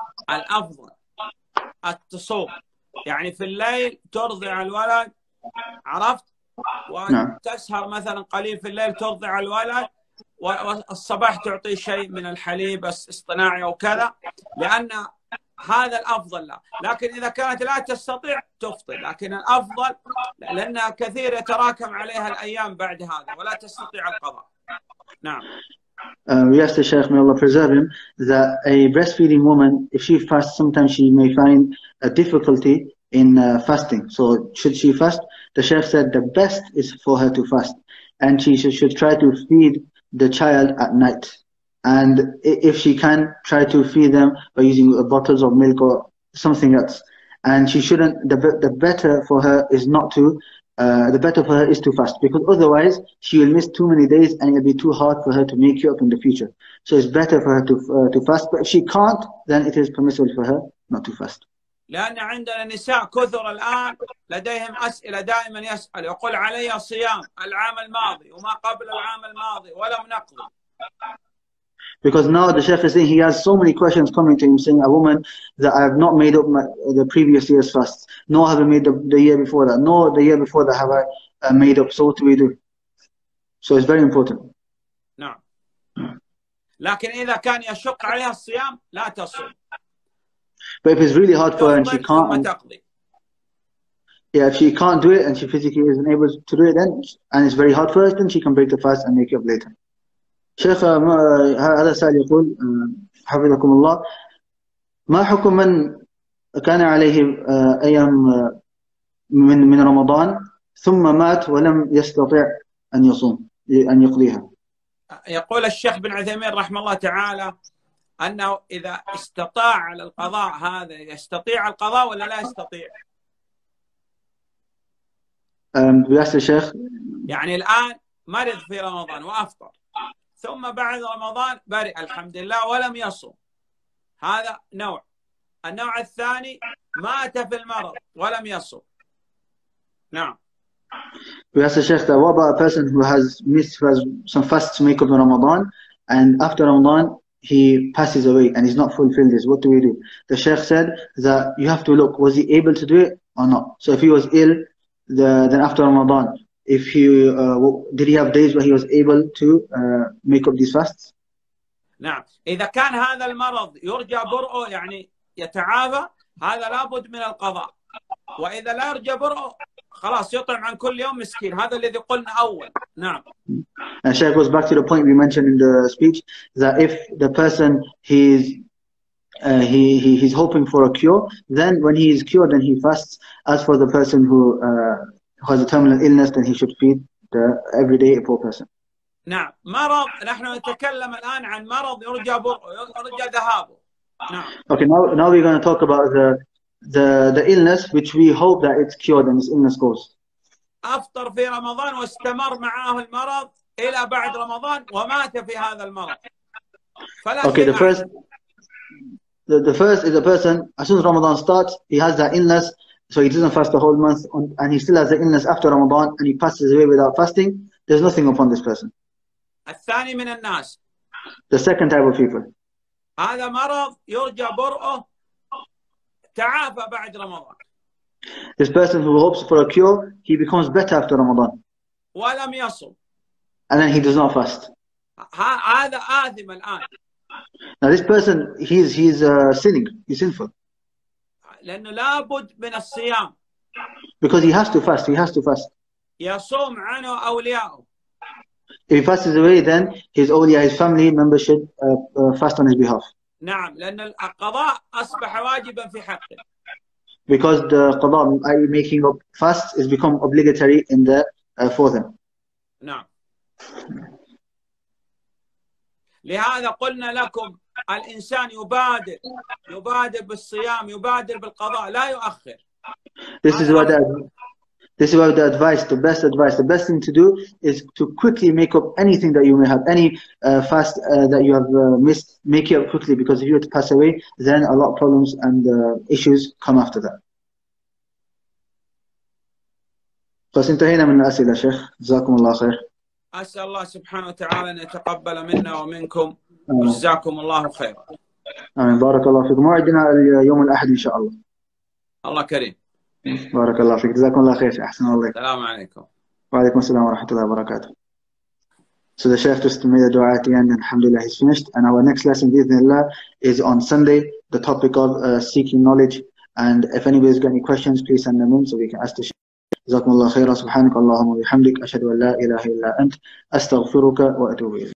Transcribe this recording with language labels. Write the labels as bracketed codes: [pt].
[ar] الأفضل التصوم، يعني في الليل ترضع الولد، عرفت؟ وتسهر مثلا قليل في الليل ترضع الولد، والصباح تعطي شيء من الحليب الاصطناعي وكذا، لأن هذا الأفضل لها. لكن إذا كانت لا تستطيع تفطر، لكن الأفضل، لأنها كثير يتراكم عليها الأيام بعد هذا ولا تستطيع القضاء. نعم. [en] We asked the Sheikh, may Allah preserve him, that a breastfeeding woman, if she fasts, sometimes she may find a difficulty in fasting. So should she fast? The Sheikh said the best is for her to fast, and she should try to feed the child at night. And if she can, try to feed them by using bottles of milk or something else. And she shouldn't, the better for her is not to, the better for her is to fast. Because otherwise, she will miss too many days and it will be too hard for her to make you up in the future. So it's better for her to fast. But if she can't, then it is permissible for her not to fast. [ar] لأن عندنا نساء كثر الآن لديهم أسئلة دائما يسأل، يقول علي صيام العام الماضي وما قبل العام الماضي ولم نقضي. [en] Because now the Sheikh is saying he has so many questions coming to him, saying a woman that I have not made up the previous year's fast, nor have I made up the year before that, nor the year before that have I made up. So what do we do? So it's very important. No. [ar] لكن إذا كان يشق عليها الصيام لا تصوم. [en] But if it's really hard for her and she can't, if she can't do it and she physically isn't able to do it, then and it's very hard for her, then she can break the fast and make up later. [ar] شيخ هذا سائل يقول حفظكم الله، ما حكم من كان عليه أيام من رمضان ثم مات ولم يستطع أن يصوم أن يقضيها؟ يقول الشيخ بن عثيمين رحمه الله تعالى أنه إذا استطاع على القضاء هذا يستطيع القضاء ولا لا يستطيع؟ بس الشيخ يعني الآن مرض في رمضان وأفطر ثم بعد رمضان برئ الحمد لله ولم يصوم، هذا نوع. النوع الثاني مات في المرض ولم يصوم. نعم. [en] We asked the Sheikh that what about a person who has missed some fasts make up in Ramadan and after Ramadan he passes away and he's not fulfilled this, what do we do? The Sheikh said that you have to look, was he able to do it or not? So if he was ill then after Ramadan, if he did he have days where he was able to make up these fasts? [ar] نعم. إذا كان هذا المرض يرجى برؤه يعني يتعافى هذا لابد من القضاء، وإذا لا يرجى برؤه خلاص يطعم عن كل يوم مسكين، هذا الذي قلنا أول. نعم. [en] And Sheikh goes back to the point we mentioned in the speech that if the person he's hoping for a cure, then when he is cured then he fasts. As for the person who has a terminal illness, then he should feed the everyday a poor person. [ar] نعم. مرض نحن نتكلم الآن عن مرض يرجى يرجى ذهابه. نعم. [en] Okay, now we're going to talk about the illness which we hope that it's cured and this illness goes. [ar] أفطر في رمضان واستمر معاه المرض إلى بعد رمضان ومات في هذا المرض. [en] Okay, the first is a person as soon as Ramadan starts he has that illness, so he doesn't fast the whole month and he still has the illness after Ramadan and he passes away without fasting. There's nothing upon this person. [ar] الثاني من الناس. [en] The second type of people. [ar] هذا مرض يرجى برؤه. تعافى بعد رمضان. [en] This person who hopes for a cure, he becomes better after Ramadan. [ar] ولم يصوم. [en] And then he does not fast. [ar] هذا آثم الآن. [en] Now this person, he's sinning. He's sinful. [ar] لأنه لابد من الصيام. [en] Because he has to fast. He has to fast. [ar] يصوم عنه أولياءه. [en] If he fasts away, then his awliya, his family members should fast on his behalf. [ar] نعم لأن القضاء أصبح واجبا في حقه. [en] Because the قضاء, i.e. making up fast, is become obligatory in the for them. [ar] نعم. لهذا قلنا لكم الإنسان يبادر بالصيام يبادر بالقضاء لا يؤخر. [en] This is what the advice, the best advice, the best thing to do is to quickly make up anything that you may have, any fast that you have missed, make it up quickly, because if you were to pass away, then a lot of problems and issues come after that. [ar] بس انتهينا من الأسئلة شيخ، جزاكم الله خير. أسأل الله سبحانه وتعالى أن يتقبل منا ومنكم، جزاكم الله خير. آمين، بارك الله فيكم، موعدنا يوم الأحد إن شاء الله. الله كريم. بارك الله فيك جزاكم الله خير أحسن الله السلام عليكم وعليكم السلام ورحمة الله وبركاته. [en] So the Sheikh just made a dua at the end and Alhamdulillah he's finished and our next lesson bismillah is on Sunday, the topic of seeking knowledge, and if anybody has got any questions please send them in so we can ask the Sheikh. [ar] جزاكم الله خير سبحانك اللهم وبحمدك أشهد أن لا إله إلا أنت أستغفرك وأتوب إليك.